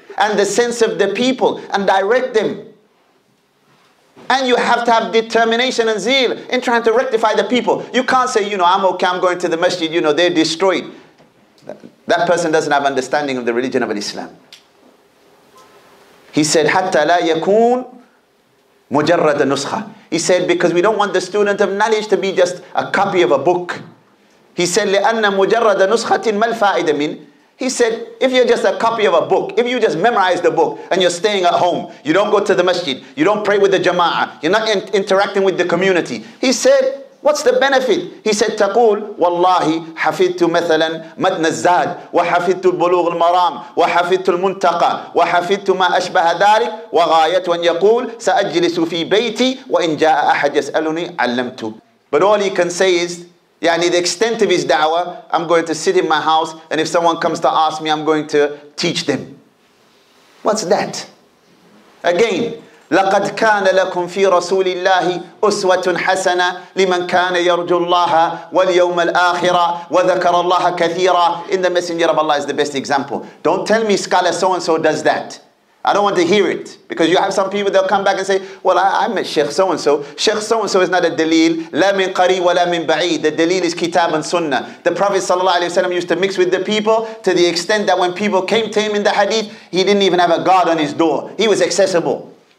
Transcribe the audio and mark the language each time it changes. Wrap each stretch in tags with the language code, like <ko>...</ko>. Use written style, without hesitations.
<en>and the sense of the people and direct them. And you have to have determination and zeal in trying to rectify the people. You can't say, you know, I'm okay, I'm going to the masjid, you know, they're destroyed. That person doesn't have understanding of the religion of Islam. He said,</en> <ar>حَتَّى لَا يَكُونَ مُجَرَّدَ نُسْخَةً.</ar> <en>He said, because we don't want the student of knowledge to be just a copy of a book. He said,</en> <ar>لِأَنَّ مُجَرَّدَ نُسْخَةٍ مَا الْفَائِدَ مِنْ.</ar> <en>He said, if you're just a copy of a book, if you just memorize the book and you're staying at home, you don't go to the masjid, you don't pray with the jama'ah, you're not interacting with the community. He said, what's the benefit? He said,</en> <ar>تقول والله حفظت مثلا متن الزاد وحفظت البلوغ المرام وحفظت المنتقى وحفظت ما أشبه ذلك وغاية أن يقول سأجلس في بيتي وإن جاء أحد يسألني علمت.</ar> <en>But all he can say is, يعني the extent of his da'wah, I'm going to sit in my house and if someone comes to ask me, I'm going to teach them. What's that?</en> <ar>Again, لقد كان لكم في رسول الله أسوة حسنة لمن كان يرجو الله واليوم الآخرة وذكر الله كثيرا.</ar> <en>In the Messenger of Allah is the best example. Don't tell me scholar so-and-so does that. I don't want to hear it. Because you have some people, they'll come back and say, well, I'm a Sheikh so-and-so. Sheikh so-and-so is not a dalil.</en> <ar>لا من قري ولا من بعيد.</ar> <en>The dalil is kitab and sunnah. The Prophet sallallahu alayhi wa sallam used to mix with the people to the extent that when people came to him in the hadith, he didn't even have a guard on his door. He was accessible.</en>